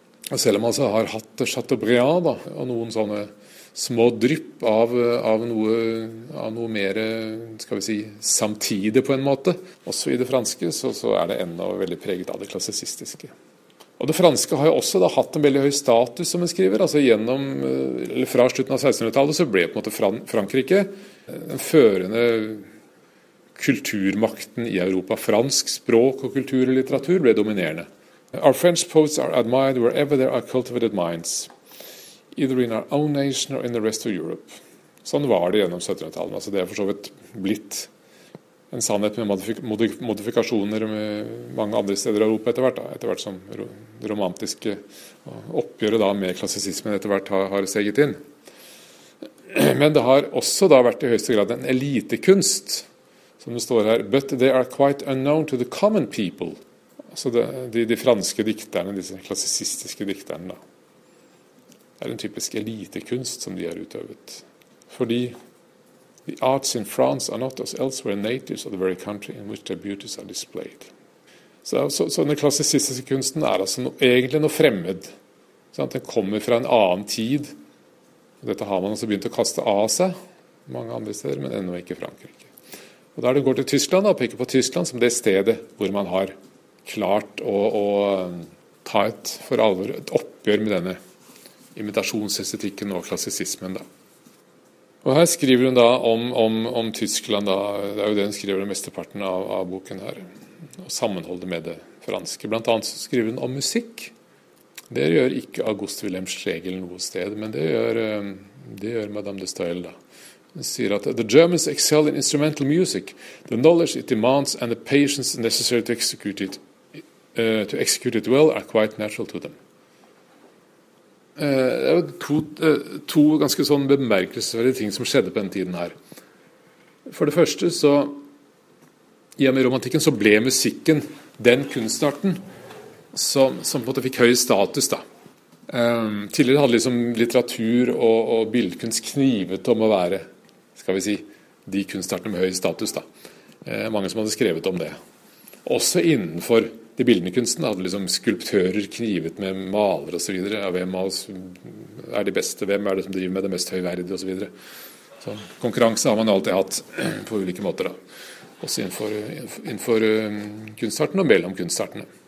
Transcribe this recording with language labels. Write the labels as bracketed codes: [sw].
[no] Og selv om man altså har hatt Chateaubriand, da, og noen sånne små drypp av noe mer, skal vi si, samtidig på en måte, også i det franske, så er det enda veldig preget av det klassisistiske. Og det franske har jo også da hatt en veldig høy status, som man skriver, altså gjennom, eller fra slutten av 1600-tallet, så ble på en måte Frankrike den førende kulturmakten i Europa. Fransk språk og kultur og litteratur ble dominerende. [en] Our French poets are admired wherever there are cultivated minds, either in our own nation or in the rest of Europe. [no] Sånn var det gjennom 1700-tallet, altså det er for så vidt blitt en sannhet med modifikasjoner med mange andre steder i Europa etter hvert, da, etter hvert som det romantiske oppgjøret da med klassisismen etter hvert har seget inn. Men det har også da vært i høyeste grad en elitekunst, som det står her, [en] but they are quite unknown to the common people. [no] Altså de franske dikterne, disse klassisistiske dikterne, da. Det er en typisk elitekunst som de har utøvet. Fordi [en] the arts in France are not as elsewhere natives of the very country in which their beauties are displayed. [no] Så den klassisistiske kunsten er altså egentlig noe fremmed. Sant? Den kommer fra en annen tid. Dette har man altså begynt å kaste av seg mange andre steder, men enda ikke Frankrike. Og der du går til Tyskland og peker på Tyskland som det stedet hvor man har klart å ta et for alvor et oppgjør med denne imitasjonsestetikken og klassisismen, da. Og her skriver hun da om Tyskland, da. Det er jo det hun skriver mesteparten av boken her, og sammenholdet med det franske. Blant annet så skriver hun om musikk. Det gjør ikke August Wilhelm Schlegel noe sted, men det gjør Madame de Staël, da. Hun sier at [en] the Germans excel in instrumental music, the knowledge it demands and the patience necessary to execute it well are quite natural to them. [no] Det er to ganske sånn bemerkelsesverdige ting som skjedde på den tiden her. For det første, så i og med romantikken så ble musikken den kunstarten som på en måte fikk høy status, da. Tidligere hadde liksom litteratur og bildkunst knivet om å være, skal vi si, de kunstartene med høy status, da. Mange som hadde skrevet om det. Også innenfor de bildende kunstene hadde liksom skulptører knivet med maler og så videre. Ja, hvem av oss er de beste? Hvem er det som driver med det mest høyverdige og så videre? Så konkurranse har man alltid hatt på ulike måter, da. Også innenfor kunstartene og mellom kunstartene.